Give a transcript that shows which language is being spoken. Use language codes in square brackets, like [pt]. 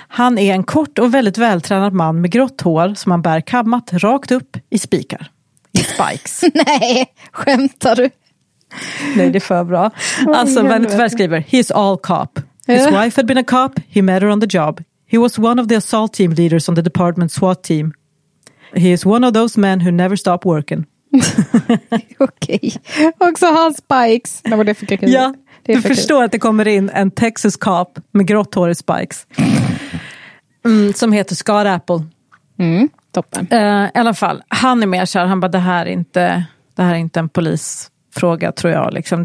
[sv] Han är en kort och väldigt vältränad man med grått hår som han bär kammat rakt upp i spikar. [en] I spikes. [sv] Nej, skämtar du? Nej, det är för bra. Oh, alltså, väldigt väl skriver, [en] he's all cop. His wife had been a cop, he met her on the job. He was one of the assault team leaders on the department SWAT team. He is one of those men who never stop working. [sv] Okej. Okay. Också hans spikes. Nej, vad det för kul. Ja. Du förstår att det kommer in en Texas cop med grått hår i spikes. Mm, som heter Scott Apple. Mm, toppen. I alla fall, han är mer kär. Han bara, det här är inte en polisfråga, tror jag. Liksom.